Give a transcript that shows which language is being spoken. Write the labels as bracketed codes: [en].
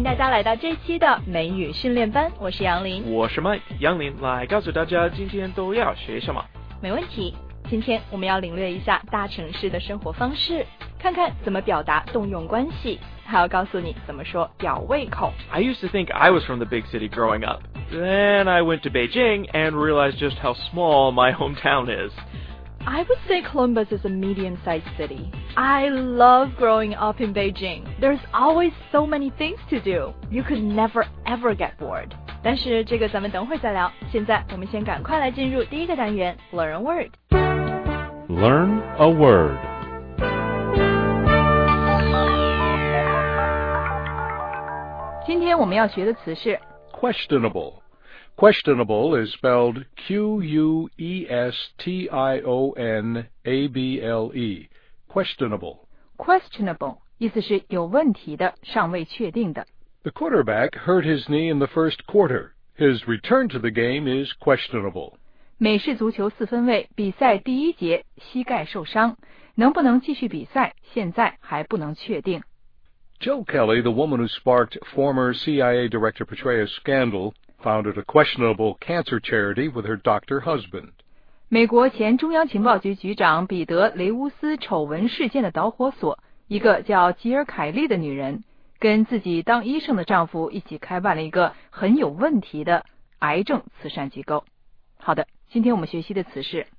[zh] 来到这期的美语训练班，我是杨林。我是 Mike， 杨林来告诉大家今天都要学什么。没问题，今天我们要领略一下大城市的生活方式，看看怎么表达动用关系，还要告诉你怎么说吊胃口。 [en] I used to think I was from the big city growing up. Then I went to Beijing and realized just how small my hometown is. I would say Columbus is a medium-sized city. I love growing up in Beijing. There's always so many things to do. You could never ever get bored. [zh] 但是这个咱们等会再聊，现在我们先赶快来进入第一个单元 Learn a Word. [en] Learn a Word. [zh] 今天我们要学的词是 [en] questionable. Questionable is spelled Q-U-E-S-T-I-O-N-A-B-L-E. Questionable. [zh] Questionable 意思是有问题的，尚未确定的。 [en] The quarterback hurt his knee in the first quarter. His return to the game is questionable. [zh] 美式足球四分卫比赛第一节膝盖受伤，能不能继续比赛，现在还不能确定。 [en] Jill Kelly, the woman who sparked former CIA Director Petraeus' scandal, founded a questionable cancer charity with her doctor husband. [zh] 美国前中央情报局局长彼得·雷乌斯丑闻事件的导火索，一个叫吉尔·凯利的女人，跟自己当医生的丈夫一起开办了一个很有问题的癌症慈善机构。好的，今天我们学习的词是